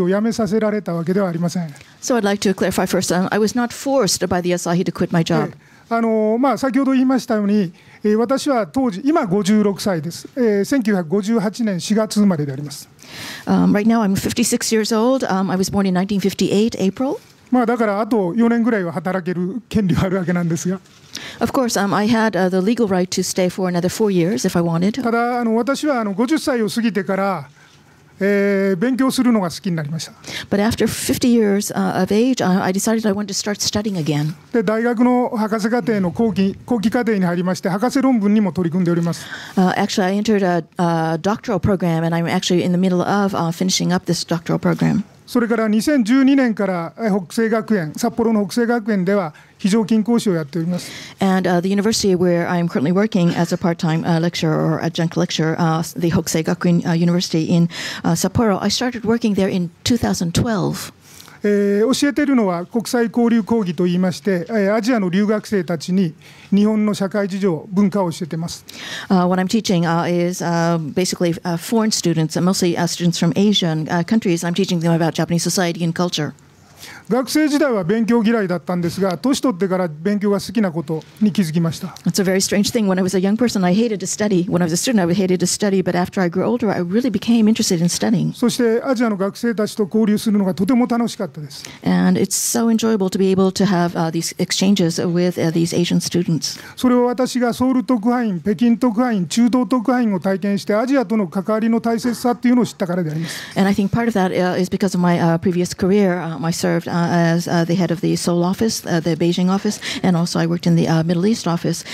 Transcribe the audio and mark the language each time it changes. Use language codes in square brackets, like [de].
[en] So I'd like to clarify first, I was not forced by the Asahi to quit my job. [ja] 先ほど言いましたように、私は当時、今56歳です。 1958年4月生まれであります。 [en] Right now I'm 56 years old. I was born in 1958, April. [ja] だからあと4年ぐらいは働ける権利はあるわけなんですが。 [en] Of course, I had the legal right to stay for another 4 years if I wanted. [ja] ただ私は50歳を過ぎてから、勉強するのが好きになりました。 [en] But after 50 years of age, I decided I wanted to start studying again. [ja] で、大学の博士課程の後期課程に入りまして、博士論文にも取り組んでおります。 [en] Actually, I entered a doctoral program, and I'm actually in the middle of finishing up this doctoral program. [ja] それから2012年から北星学園、札幌の北星学園では非常勤講師をやっております。 [en] And the university where I am currently working as a part-time lecturer or adjunct lecturer, the Hokusei Gakuin University in Sapporo, I started working there in 2012. [ja] 教えているのは国際交流講義といいまして、アジアの留学生たちに日本の社会事情、文化を教えてます。 [en] What I'm teaching is basically foreign students, mostly students from Asian countries. I'm teaching them about Japanese society and culture. [ja] 学生時代は勉強嫌いだったんですが、年取ってから勉強が好きなことに気づきました。 [en] It's a very strange thing. When I was a young person, I hated to study. When I was a student, I hated to study. But after I grew older, I really became interested in studying. [ja] そしてアジアの学生たちと交流するのがとても楽しかったです。 [en] And it's so enjoyable to be able to have these exchanges with these Asian students. [ja] それを私がソウル特派員、北京特派員、中東特派員を体験して、アジアとの関わりの大切さというのを知ったからであります。 [en] And I think part of that is because of my previous career. I servedas the head of the Seoul office, the Beijing office, and also I worked in the Middle East office.